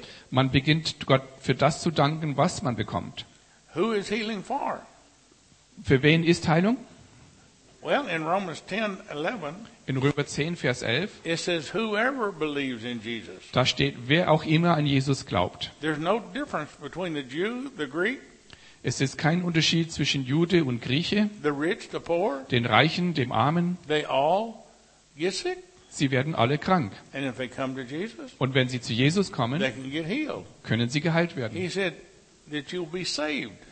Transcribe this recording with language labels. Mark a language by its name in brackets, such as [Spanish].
[German] Man beginnt, Gott für das zu danken, was man bekommt. [English] Who is healing for? [German] Für wen ist Heilung? [English] Well, in Romans 10:11, [German] in Römer 10, Vers 11, [English] it says, whoever believes in Jesus. [German] Da steht, wer auch immer an Jesus glaubt. [English] There's no difference between the Jew, the Greek. [German] Es ist kein Unterschied zwischen Jude und Grieche, [English] the rich, the poor, [German] den Reichen, dem Armen. [English] They all get sick. [German] Sie werden alle krank. [English] And if they come to Jesus, [German] und wenn sie zu Jesus kommen, [English] they can get healed. [German] Können sie geheilt werden. [English] He said that you'll be saved.